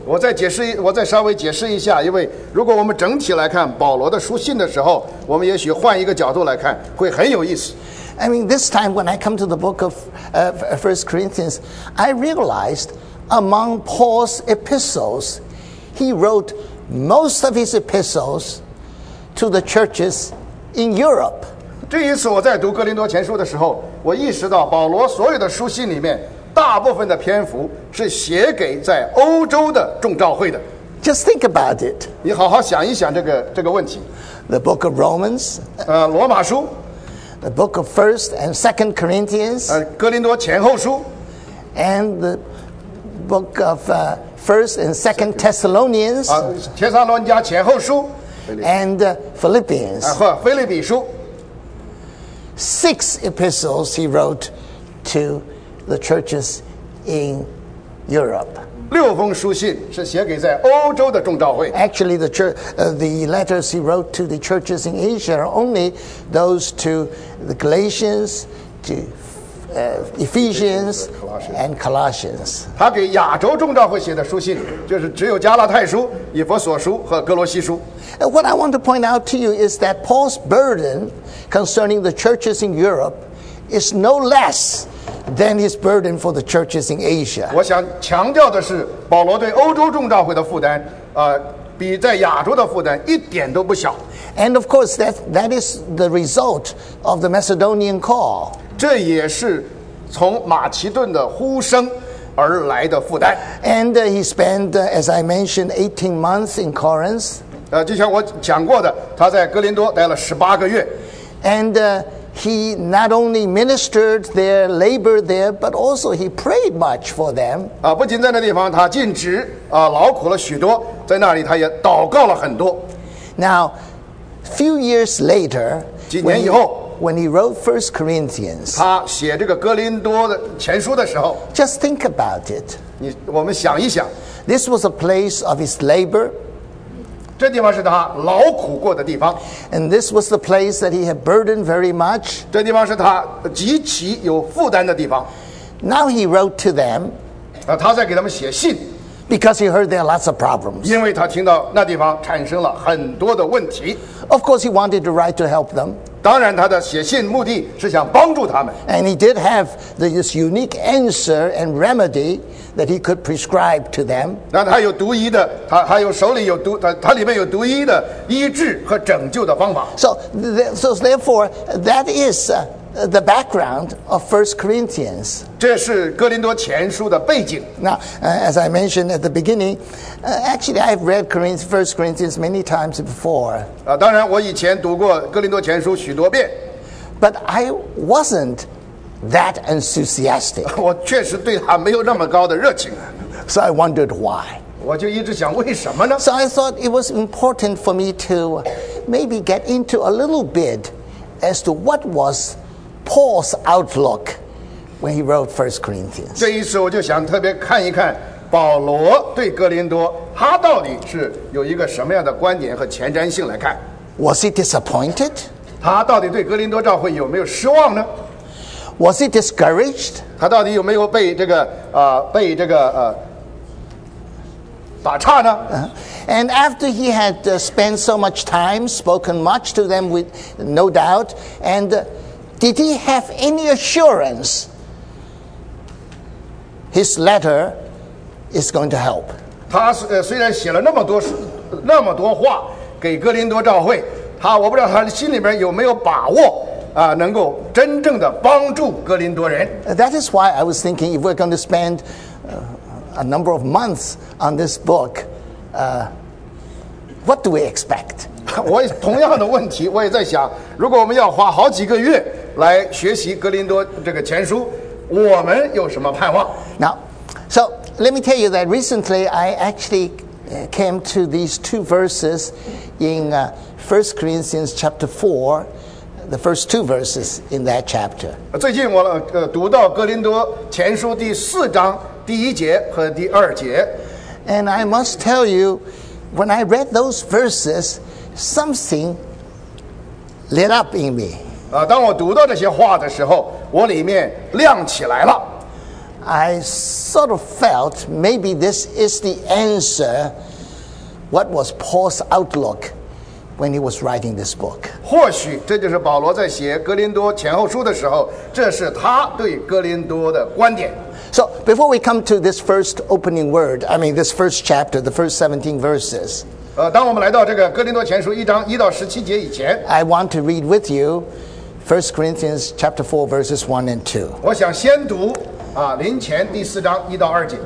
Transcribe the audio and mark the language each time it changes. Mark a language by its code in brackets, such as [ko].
[zh] 我再稍微解释一下，因为如果我们整体来看保罗的书信的时候，我们也许换一个角度来看，会很有意思。 [en] I mean, this time when I come to the book of First Corinthians, I realized among Paul's epistles, he wrote most of his epistles to the churches in Europe. [zh] 这一次我在读《哥林多前书》的时候，我意识到保罗所有的书信里面，大部分的篇幅是写给在欧洲的众召会的。 [en] Just think about it. [zh] 你好好想一想这个问题。 [en] The book of Romans. [zh] 罗马书。 [en] The book of First and Second Corinthians. [zh] 哥林多前后书。 [en] And the book of First and Second Thessalonians. [zh] 帖撒罗尼迦前后书。 [en] And Philippians. [zh] 腓立比书。 [en] Six epistles he wrote to the churches in Europe. [zh] 六封书信是写给在欧洲的众召会。 [en] Actually, the letters he wrote to the churches in Asia are only those to the Galatians, to Ephesians and Colossians. [zh] 他给亚洲众召会写的书信，就是只有加拉太书、以弗所书和哥罗西书。 [en] What I want to point out to you is that Paul's burden concerning the churches in Europe is no less than his burden for the churches in Asia. [zh] 我想强调的是，保罗对欧洲众召会的负担，比在亚洲的负担一点都不小。 [en] And of course, that is the result of the Macedonian call. [zh] 这也是从马其顿的呼声而来的负担。 [en] And he spent, as I mentioned, 18 months in Corinth. [zh] 就像我讲过的，他在哥林多待了十八个月。 [en] And he not only ministered there, labored there, but also he prayed much for them. [zh] 不仅在那地方他尽职，劳苦了许多，在那里他也祷告了很多。 [en] Now, few years later, [zh] 几年以后， [en] when he wrote First Corinthians, [zh] 他写这个哥林多的前书的时候， [en] just think about it. [zh] 我们想一想， [en] this was a place of his labor. [zh] 这地方是他劳苦过的地方。 [en] And this was the place that he had burdened very much. [zh] 这地方是他极其有负担的地方。 [en] Now he wrote to them. [zh] 他在给他们写信。 [en] Because he heard there are lots of problems. [zh] 因为他听到那地方产生了很多的问题。 [en] Of course he wanted to write to help them. [zh] 当然他的写信目的是想帮助他们。 [en] And he did have this unique answer and remedy. That he could prescribe to them. [zh] 那他有独一的，他还有手里有独，他里面有独一的医治和拯救的方法。 [en] So therefore, that is the background of First Corinthians. [zh] 这是哥林多前书的背景。 [en] Now, as I mentioned at the beginning, actually I've read First Corinthians many times before. [zh] 当然我以前读过哥林多前书许多遍。 [en] But I wasn't. That enthusiastic. [zh] 我确实对他没有那么高的热情。 [en] So I wondered why. [zh] 我就一直想为什么呢？ [en] So I thought it was important for me to maybe get into a little bit as to what was Paul's outlook when he wrote First Corinthians. [zh] 这一次我就想特别看一看保罗对哥林多他到底是有一个什么样的观点和前瞻性来看。 [en] Was he disappointed? [zh] 他到底对哥林多召会有没有失望呢？ [en] Was he discouraged? [zh] 他到底有没有被这个被这个打岔呢？ [en] And after he had spent so much time, spoken much to them with no doubt, and did he have any assurance his letter is going to help? [zh] 他虽然写了那么多话给哥林多召会，他我不知道他心里面有没有把握。能够真正的帮助哥林多人。 [en] That is why I was thinking if we're going to spend a number of months on this book, what do we expect? [zh] 我同样的问题，我也在想，如果我们要花好几个月来学习格林多这个前书，我们有什么盼望？ [en] Now, so let me tell you that recently I actually came to these two verses in 1 Corinthians chapter 4, the first two verses in that chapter. [zh] 最近我读到格林多前书第四章第一节和第二节。 [en] And I must tell you, when I read those verses, something lit up in me. [zh] 当我读到这些话的时候，我里面亮起来了。 [en] I sort of felt maybe this is the answer. What was Paul's outlook when he was writing this book? [zh] 或许这就是保罗在写《哥林多前后书》的时候，这是他对哥林多的观点。 [en] So before we come to this first opening word, I mean this first chapter, the first 17 verses. [zh] 当我们来到这个《哥林多前书》一章一到十七节以前 [en] ，I want to read with you 1 Corinthians chapter 4 verses 1 and 2. [zh] 我想先读啊，林前第四章一到二节。